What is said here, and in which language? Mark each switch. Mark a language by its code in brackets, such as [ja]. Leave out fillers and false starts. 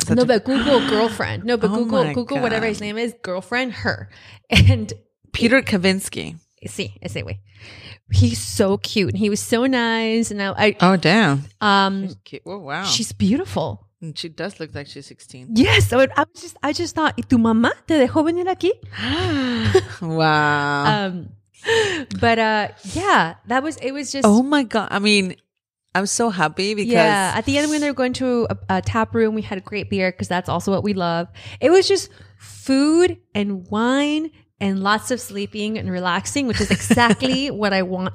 [en] No, but Google girlfriend. No, but Google, whatever his name is, girlfriend, her. And Peter Kavinsky. See, sí, way. He's so cute. And he was so nice. And I oh, damn. She's cute. Oh, wow. She's beautiful. And she does look like she's 16. Yes. I just thought, [es] ¿y tu mamá te dejó venir aquí? [en] Wow. But yeah, that was, it was just. Oh my God. I mean, I'm so happy because. Yeah, at the end when they were going to a tap room, we had a great beer because that's also what we love. It was just food and wine and lots of sleeping and relaxing, which is exactly what I want.